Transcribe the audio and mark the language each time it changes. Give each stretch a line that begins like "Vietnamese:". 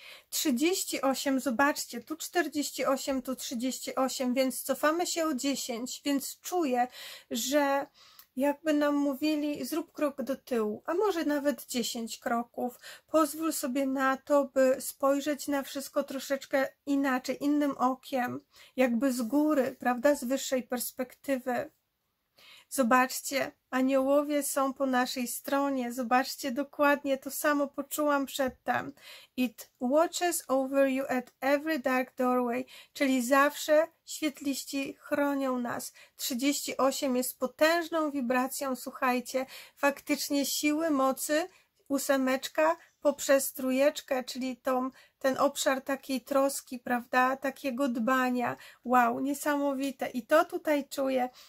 Polish: 38, zobaczcie, tu 48, tu 38, więc cofamy się o 10, więc czuję, że jakby nam mówili, zrób krok do tyłu, a może nawet 10 kroków, pozwól sobie na to, by spojrzeć na wszystko troszeczkę inaczej, innym okiem, jakby z góry, prawda, z wyższej perspektywy. Zobaczcie, aniołowie są po naszej stronie. Zobaczcie, dokładnie to samo poczułam przedtem.
English: It watches over you at every dark doorway.
Polish: Czyli zawsze świetliści chronią nas. 38 jest potężną wibracją, słuchajcie. Faktycznie siły mocy ósemeczka poprzez trójeczkę, czyli ten obszar takiej troski, prawda? Takiego dbania. Wow, niesamowite. I to tutaj czuję.